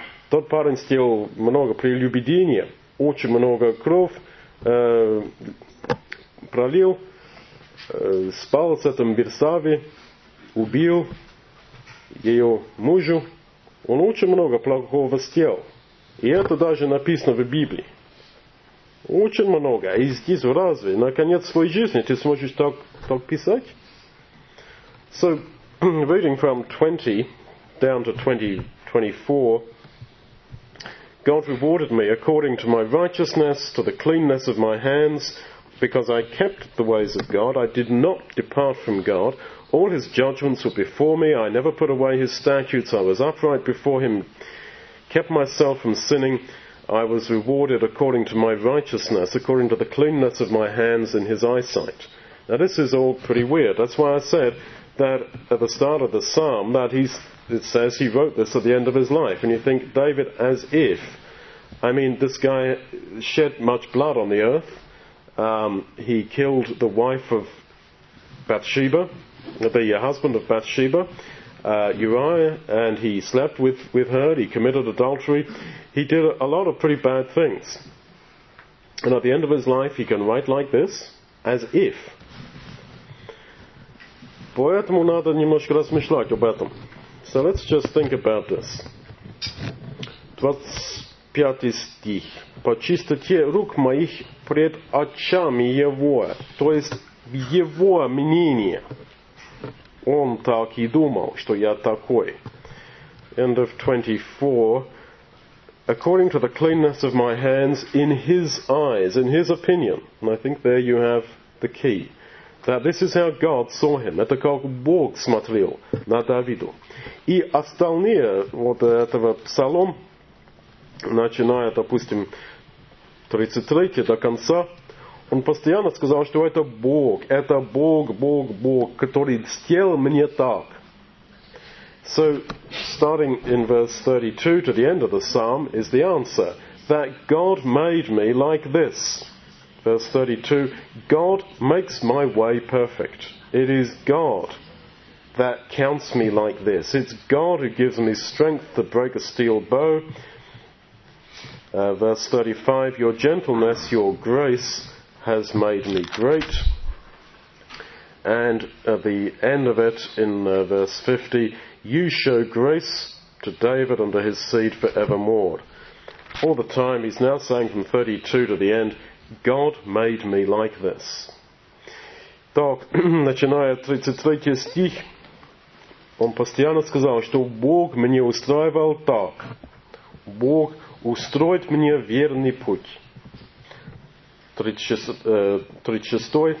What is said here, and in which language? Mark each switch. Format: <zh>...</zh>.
<ru>Тот парень сделал много прелюбедения, очень много кровь пролил, спал с этим Берсавой, убил ее мужа. Он очень много плохого сделал. И это даже написано в Библии. Очень много. И здесь разве на конец своей жизни ты сможешь так писать?</ru> <en>So, reading from 20 down to 20:24, God rewarded me according to my righteousness, to the cleanness of my hands, because I kept the ways of God, I did not depart from God. All his judgments were before me, I never put away his statutes, I was upright before him, kept myself from sinning. I was rewarded according to my righteousness, according to the cleanness of my hands in his eyesight. Now this is all pretty weird. That's why I said that at the start of the psalm, that it says he wrote this at the end of his life. And you think, David, as if. I mean, this guy shed much blood on the earth. He killed the wife of Bathsheba, the husband of Bathsheba, Uriah, and he slept with her. He committed adultery. He did a lot of pretty bad things. And at the end of his life, he can write like this, as if.</en> <ru>Поэтому надо немножко размышлять об этом.</ru> <en>So let's just think about this.</en> <ru>25 стих. По чистоте рук моих пред очами Его, то есть Его мнение. Он так и думал, что я такой.</ru> <en>End of 24. According to the cleanness of my hands, in his eyes, in his opinion. And I think there you have the key. That this is how God saw him.</en> <ru>Это как Бог смотрел на Давиду. И остальные, вот этого псалом, начиная, допустим, 33 до конца, он постоянно сказал, что это Бог, который сделал мне так.</ru> <en>So, starting in verse 32 to the end of the psalm is the answer, that God made me like this. Verse 32, God makes my way perfect. It is God that counts me like this. It's God who gives me strength to break a steel bow. Verse 35, your gentleness, your grace has made me great. And at the end of it, in verse 50, you show grace to David and to his seed forevermore. all the time. He's now saying from 32 to the end, God made me like this.</en> <ru>Так, начиная 33 стих, он постоянно сказал, что Бог мне устраивал так. Бог устроит мне верный путь. 36.</ru>